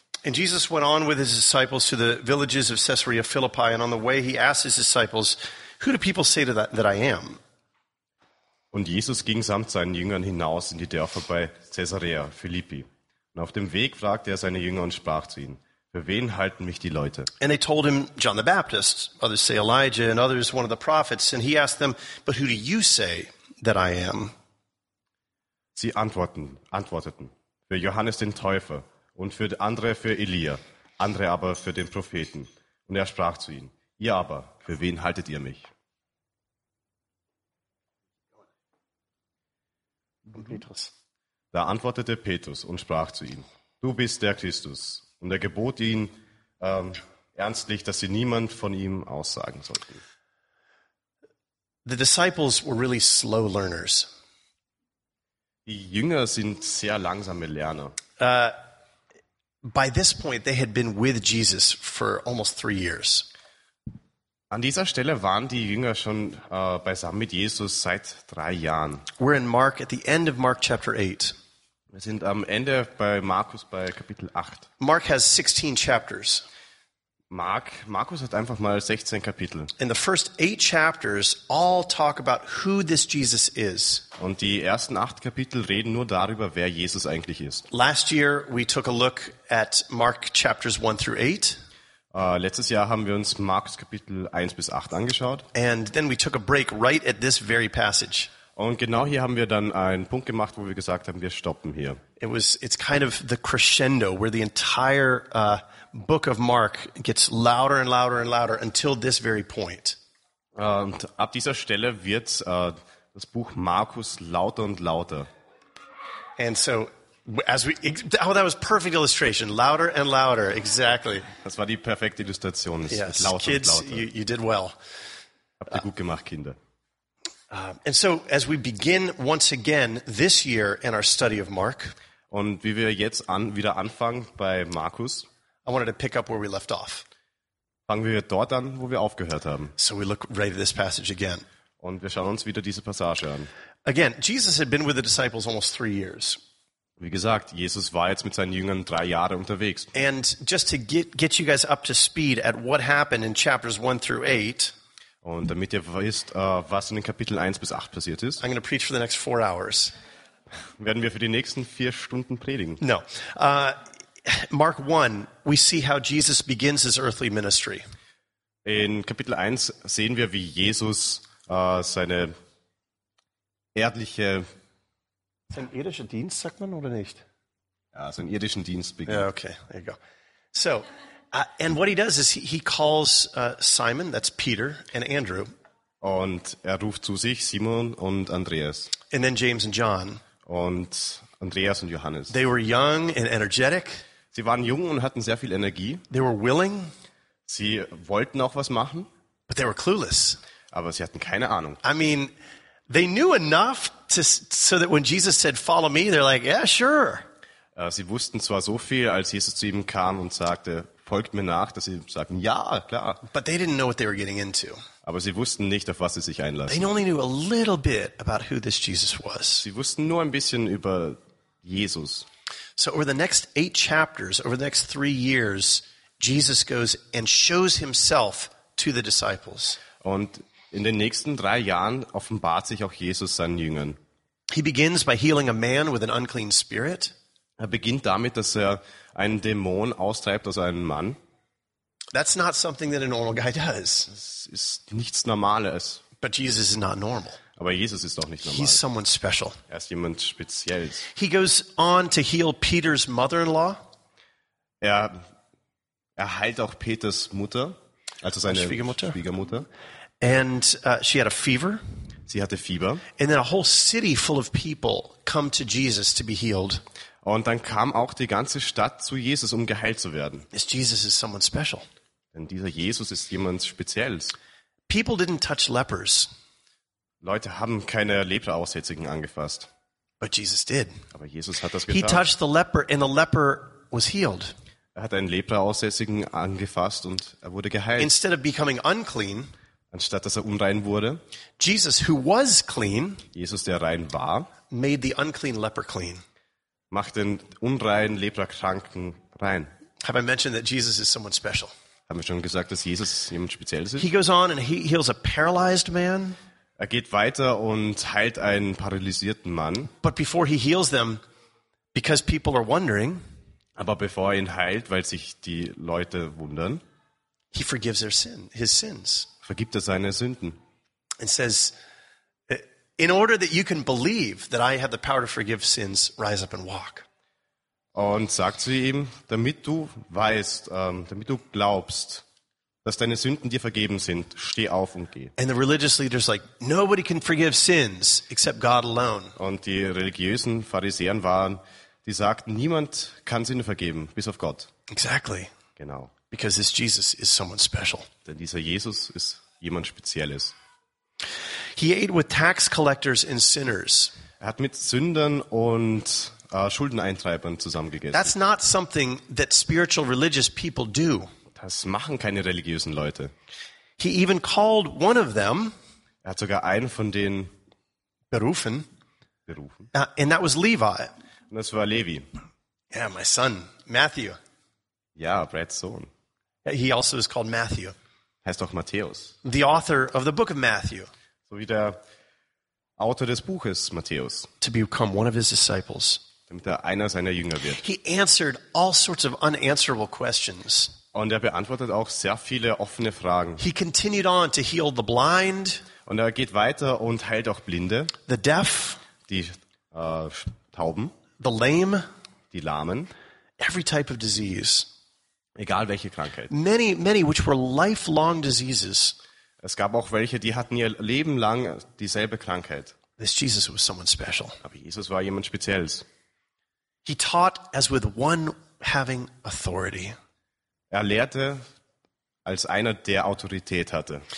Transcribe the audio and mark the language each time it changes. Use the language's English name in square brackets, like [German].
[English] And Jesus went on with his disciples to the villages of Caesarea Philippi, and on the way he asked his disciples, "Who do people say that I am?" [German] Und Jesus ging samt seinen Jüngern hinaus in die Dörfer bei Caesarea Philippi. Und auf dem Weg fragte er seine Jünger und sprach zu ihnen: Für wen halten mich die Leute? [English] And they told him John the Baptist. Others say Elijah, and others one of the prophets. And he asked them, "But who do you say that I am?" [German] Sie antworteten: Für Johannes den Täufer und für andere für Elia, andere aber für den Propheten. Und er sprach zu ihnen: Ihr aber, für wen haltet ihr mich? Petrus. Da antwortete Petrus und sprach zu ihnen: Du bist der Christus. Und er gebot ihnen ernstlich, dass sie niemand von ihm aussagen sollten. [English] The disciples were really slow learners. [German] Die Jünger sind sehr langsame Lerner. [English] By this point, they had been with Jesus for almost 3 years. [German] An dieser Stelle waren die Jünger schon beisammen mit Jesus seit 3 Jahren. [English] We're in Mark at the end of Mark chapter 8. [German] Wir sind am Ende bei Markus bei Kapitel 8. [English] Mark has 16 chapters. [German] Markus hat einfach mal 16 Kapitel. [English] And the first 8 chapters all talk about who this Jesus is. [German] Und die ersten 8 Kapitel reden nur darüber, wer Jesus eigentlich ist. [English] Last year we took a look at Mark chapters 1 through 8. [German] Letztes Jahr haben wir uns Markus Kapitel 1 bis 8 angeschaut. [English] And then we took a break right at this very passage. [German] Und genau hier haben wir dann einen Punkt gemacht, wo wir gesagt haben, wir stoppen hier. [English] It's kind of the crescendo where the entire book of Mark gets louder and louder and louder until this very point. [German] Und ab dieser Stelle wird das Buch Markus lauter und lauter. [English] And so as we that was perfect illustration, louder and louder, exactly. [German] Das war die perfekte Illustration, [English] yes, [German] lauter und lauter. [English] Kids, you did well. [German] Habt ihr gut gemacht, Kinder. [English] And so as we begin once again this year in our study of Mark, [German] und wie wir jetzt wieder anfangen bei Markus, [English] I wanted to pick up where we left off. [German] Fangen wir dort an, wo wir aufgehört haben. [English] So we look right at this passage again. [German] Und wir schauen uns wieder diese Passage an. [English] Again, Jesus had been with the disciples almost 3 years. [German] Wie gesagt, Jesus war jetzt mit seinen Jüngern 3 Jahre unterwegs. [English] And just to get you guys up to speed at what happened in chapters 1 through 8, [German] und damit ihr wisst, was in den Kapiteln 1 bis 8 passiert ist, [English] I'm going to preach for the next 4 hours. [German] Werden wir für die nächsten 4 Stunden predigen. [English] No. Mark 1, we see how Jesus begins his earthly ministry. [German] In Kapitel 1 sehen wir, wie Jesus seine erdliche... Sein irdischer Dienst, sagt man, oder nicht? Ja, seinen irdischen Dienst beginnt. [English] Ja, okay, there you go. So... and what he does is he calls Simon, that's Peter, and Andrew. [German] Und er ruft zu sich Simon und Andreas. [English] And then James and John. [German] Und Andreas und Johannes. [English] They were young and energetic. [German] Sie waren jung und hatten sehr viel Energie. [English] They were willing. [German] Sie wollten auch was machen. [English] But they were clueless. [German] Aber sie hatten keine Ahnung. [English] I mean, they knew enough to so that when Jesus said, "Follow me," they're like, "Yeah, sure." [German] Sie wussten zwar so viel, als Jesus zu ihm kam und sagte, folgt mir nach, dass sie sagen, ja, klar. [English] But they didn't know what they were getting into. [German] Aber sie wussten nicht, auf was sie sich einlassen. [English] They only knew a little bit about who this Jesus was. [German] Sie wussten nur ein bisschen über Jesus. [English] So over the next 8 chapters, over the next 3 years, Jesus goes and shows himself to the disciples. [German] Und in den nächsten 3 Jahren offenbart sich auch Jesus seinen Jüngern. [English] He begins by healing a man with an unclean spirit. [German] Er beginnt damit, dass er einen Dämon austreibt aus einem Mann. [English] That's not something that a normal guy does. [German] Das ist nichts Normales. [English] But Jesus is not normal. [German] Aber Jesus ist doch nicht normal. [English] He's someone special. [German] Er ist jemand Spezielles. [English] He goes on to heal Peter's mother-in-law. [German] Er heilt auch Peters Mutter, also seine Schwiegermutter. [English] And she had a fever. [German] Sie hatte Fieber. [English] And then a whole city full of people come to Jesus to be healed. [German] Und dann kam auch die ganze Stadt zu Jesus, um geheilt zu werden. [English] Jesus is someone special. [German] Denn dieser Jesus ist jemand Spezielles. [English] People didn't touch lepers. [German] Leute haben keine Lepra-Aussätzigen angefasst. [English] But Jesus did. [German] Aber Jesus hat das getan. [English] He touched the leper and the leper was healed. [German] Er hat einen Lepra-Aussätzigen angefasst und er wurde geheilt. [English] Instead of becoming unclean, [German] anstatt dass er unrein wurde, [English] Jesus, who was clean, [German] Jesus, der rein war, [English] made the unclean leper clean. [German] Macht den unreinen Leprakranken rein. [English] Have I mentioned that Jesus is someone special? [German] Haben wir schon gesagt, dass Jesus jemand Spezielles ist? [English] He goes on and he heals a paralyzed man. [German] Er geht weiter und heilt einen paralysierten Mann. [English] But before he heals them, because people are wondering, [German] aber bevor er ihn heilt, weil sich die Leute wundern, [English] he forgives their sin, his sins. [German] Vergibt er seine Sünden. [English] And says, in order that you can believe that I have the power to forgive sins, rise up and walk. [German] Und sagt zu ihm, damit du weißt, damit du glaubst, dass deine Sünden dir vergeben sind, steh auf und geh. [English] And the religious leaders like, nobody can forgive sins except God alone. [German] Und die religiösen Pharisäer waren, die sagten, niemand kann Sünde vergeben, bis auf Gott. [English] Exactly. [German] Genau. [English] Because this Jesus is someone special. [German] Denn dieser Jesus ist jemand Spezielles. [English] He ate with tax collectors and sinners. [German] Er hat mit Sündern und Schuldeneintreibern zusammengegessen. [English] That's not something that spiritual religious people do. [German] Das machen keine religiösen Leute. [English] He even called one of them. [German] Er hat sogar einen von denen berufen. [English] And that was Levi. [German] Und das war Levi. [English] Yeah, my son, Matthew. [German] Ja, Brett's Sohn. [English] He also is called Matthew. [German] Heißt auch Matthäus. [English] The author of the book of Matthew. [German] So wie der Autor des Buches Matthäus. [English] To become one of his disciples. [German] Damit er einer seiner Jünger wird. [English] He answered all sorts of unanswerable questions. [German] Und er beantwortet auch sehr viele offene Fragen. [English] He continued on to heal the blind. [German] Und er geht weiter und heilt auch Blinde. [English] The deaf. [German] Die Tauben. [English] The lame. [German] Die Lahmen. [English] Every type of disease. [German] Egal welche Krankheit. [English] Many, many which were lifelong diseases. [German] Es gab auch welche, die hatten ihr Leben lang dieselbe Krankheit. [English] This Jesus was someone special. [German] Aber Jesus war jemand Spezielles. [English] He taught as with one having authority. [German] Er lehrte als einer, der Autorität hatte.